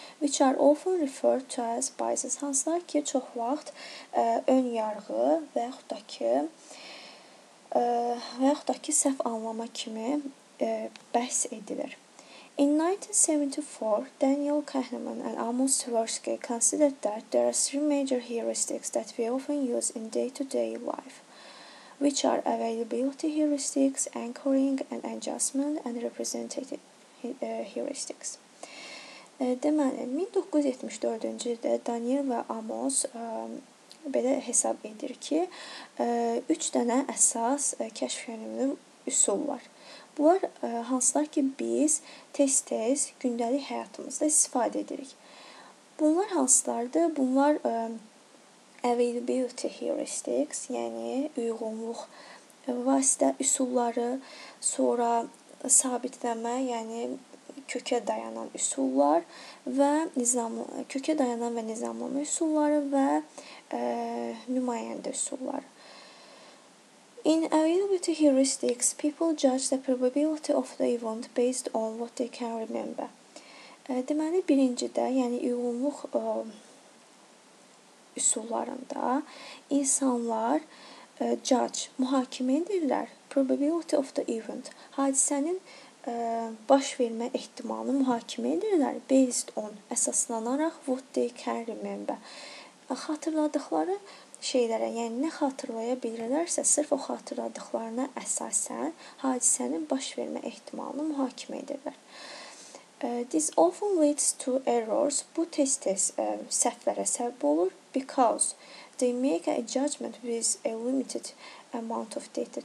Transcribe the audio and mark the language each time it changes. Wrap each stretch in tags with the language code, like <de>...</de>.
<en>Which are often referred to as biases.</en> <az>Hansılar ki, çox vaxt ön yarğı və yaxud da ki, səhv anlama kimi bəhs edilir.</az> <en>In 1974, Daniel Kahneman and Amos Tversky considered that there are three major heuristics that we often use in day-to-day life, which are availability heuristics, anchoring and adjustment, and representative heuristics.</en> <az>Deməli, 1974-cü ildə Daniel və Amos belə hesab edir ki, üç dənə əsas kəşf yönümlü üsul var. Bunlar hansılar ki, biz tez-tez gündəlik həyatımızda istifadə edirik. Bunlar hansılardır? Bunlar</az> <en>availability heuristics,</en> <az>yəni uyğunluq vasitə üsulları, sonra sabitləmə, yəni kökə dayanan üsullar və nizamlama üsulları və nümayəndə üsulları.</az> <en>In availability heuristics, people judge the probability of the event based on what they can remember.</en> <az>Deməli, birincidə, yəni uyğunluq üsullarında insanlar judge, mühakimə edirlər</az> <en>probability of the event,</en> <az>hadisənin baş vermə ehtimalını mühakimə edirlər</az> <en>based on,</en> <az>əsaslanaraq</az> <en>what they can remember.</en> <az>Xatırladıqları şeylərə, yəni nə xatırlaya bilirlərsə, sırf o xatırladıqlarına əsasən hadisənin baş vermə ehtimalını mühakimə edirlər.</az> <en>This often leads to errors.</en> <az>Bu tez-tez səhvlərə səbəb olur.</az> <en>Because they make a judgment with a limited amount of data.</en>